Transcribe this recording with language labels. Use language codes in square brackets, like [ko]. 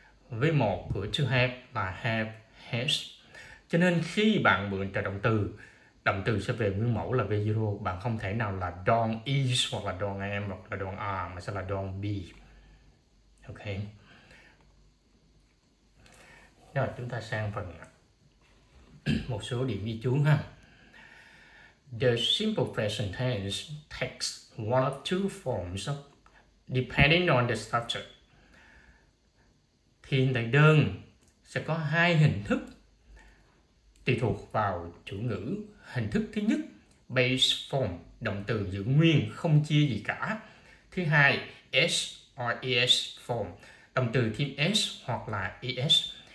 [vi] V1 của to have là have, has. Cho nên khi bạn mượn trợ động từ sẽ về nguyên mẫu là V0. Bạn không thể nào là don't is hoặc là don't am hoặc là don't are mà sẽ là don't be. Ok. Rồi chúng ta sang phần một số điểm ghi chú ha. [en] The simple present tense takes one of two forms of, depending on the subject. [vi] Thì hiện tại đơn sẽ có hai hình thức tùy thuộc vào chủ ngữ. Hình thức thứ nhất, base form, động từ giữ nguyên, không chia gì cả. Thứ hai, S or ES form, động từ thêm S hoặc là ES.